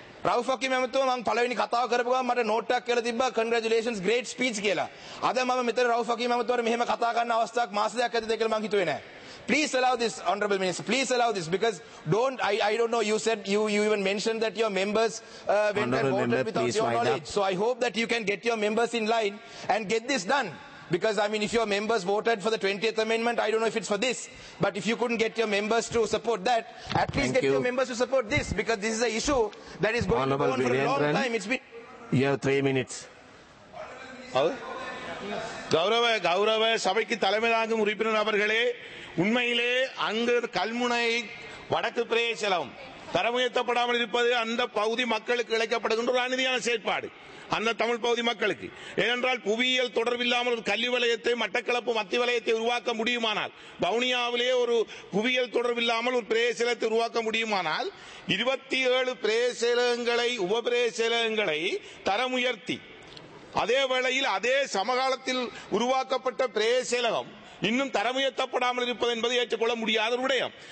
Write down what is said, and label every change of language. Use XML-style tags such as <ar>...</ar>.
<si>රෞෆකි මැමතුම මම පළවෙනි කතාව කරපු ගමන් මට නෝට්ටයක් කියලා තිබ්බා</si> <en>congratulations great speech</en> <si>කියලා. අද මම මෙතන රෞෆකි මැමතුමට මෙහෙම කතා කරන්න අවස්ථාවක් මාස දෙකක් ඇද්ද කියලා මම හිතුවේ නැහැ.</si> <en>Please allow this, Honorable Minister. Please allow this because don't, I don't know, you said, you even mentioned that your members went and voted without your knowledge. So I hope that you can get your members in line and get this done. Because, I mean, if your members voted for the 20th Amendment, I don't know if it's for this. But if you couldn't get your members to support that, at least get your members to support this. Because this is an issue that is going on for a long time. It's been... You have 3 minutes.</en> <ta>கௌரவ சபைக்கு தலைமை தாங்கும் உறுப்பினர் அவர்களே, உண்மையிலே அங்கு கல்முனை வடக்கு பிரதேசம் தரமுயர்த்தப்படாமல் இருப்பது அந்த பகுதி மக்களுக்கு இழைக்கப்படுகின்ற ஒரு அநீதியான செயற்பாடு. அந்த தமிழ் பகுதி மக்களுக்கு ஏனென்றால் புவியியல் தொடர்பில்லாமல் ஒரு கல்வி வலயத்தை மட்டக்களப்பு மத்திய வலயத்தை உருவாக்க முடியுமானால், பவுனியாவிலே ஒரு புவியியல் தொடர்பில்லாமல் ஒரு பிரதேசத்தை உருவாக்க முடியுமானால், 27 பிரதேசங்களை உபபிரதேசங்களை தரம் உயர்த்தி அதே வேளையில் அதே சமகாலத்தில் உருவாக்கப்பட்ட பிரதேசலகம் இன்னும் தரமுயர்த்தப்படாமல் இருப்பது என்பது ஏற்றுக்கொள்ள முடியாத ஒரு விடயம்.</ta>